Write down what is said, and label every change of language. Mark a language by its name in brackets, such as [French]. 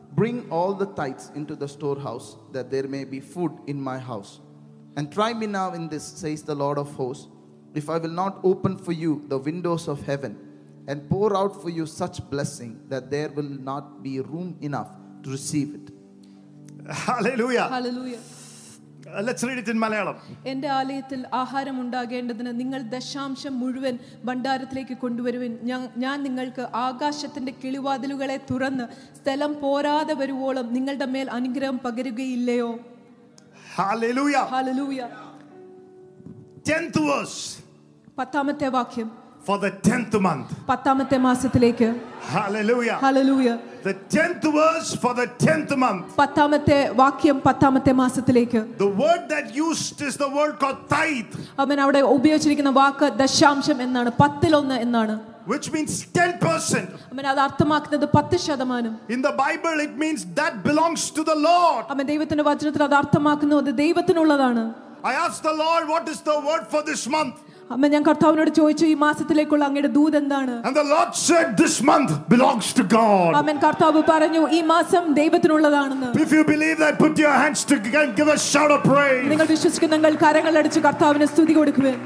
[English] Bring all the tithes into the storehouse that there may be food in my house. And try me now in this, says the Lord of hosts, if I will not open for you the windows of heaven and pour out for you such blessing that there will not be room enough to receive it. Hallelujah. Hallelujah. Let's read it in Malayalam. [Malayalam] എന്റെ ആലയത്തിൽ ആഹാരം ഉണ്ടാകേണ്ടതിന് നിങ്ങൾ ദശാംശം മുഴുവൻ ഭണ്ഡാരത്തിലേക്ക് കൊണ്ടുവരുവിൻ. ഞാൻ നിങ്ങൾക്ക് ആകാശത്തിന്റെ കിളിവാതിലുകളെ തുറന്ന് സ്ഥലം പോരാതെ വരുവോളം നിങ്ങളുടെ മേൽ അനുഗ്രഹം പകരുകയില്ലയോ. [English] Hallelujah. Hallelujah. 10th verse. [Malayalam] പത്താമത്തെ വാക്യം. [English] For the 10th month. [Malayalam] പത്താമത്തെ മാസത്തിലേക്ക്. [English] Hallelujah. Hallelujah. The 10th verse for the 10th month. [Malayalam] പത്താമത്തെ വാക്യം പത്താമത്തെ മാസത്തിലേക്ക്. [English] The word that used is the word called tithe. [Malayalam] അവൻ അവിടെ ഉപയോഗിച്ചിരിക്കുന്ന വാക്ക് ദശാംശം എന്നാണ്, പത്തിലൊന്ന് എന്നാണ്. [English] Which means 10%. I mean, [Malayalam] അത് അർത്ഥമാക്കുന്നത് 10%. [English] In the Bible, it means that belongs to the Lord. I mean, [Malayalam] ദൈവത്തിന്റെ വചനത്തിൽ അത് അർത്ഥമാക്കുന്നത് അത് ദൈവത്തിനുള്ളതാണ്. [English] I asked the Lord, what is the word for this month? [Malayalam] ഞാൻ കർത്താവിനോട് ചോദിച്ചു, ഈ മാസത്തിലേക്കുള്ള അങ്ങയുടെ ദൂത് എന്താണ്? [English] And the Lord said, this month belongs to God. [Malayalam] ആമേൻ. കർത്താവ് പറഞ്ഞു, ഈ മാസം ദൈവത്തിനുള്ളതാണെന്ന്. [English] If you believe that, put your hands together, give a shout of praise. [Malayalam] നിങ്ങൾ വിശ്വസിക്കുന്നെങ്കിൽ കരങ്ങൾ അടിച്ച് കർത്താവിന് സ്തുതി കൊടുക്കുവേ.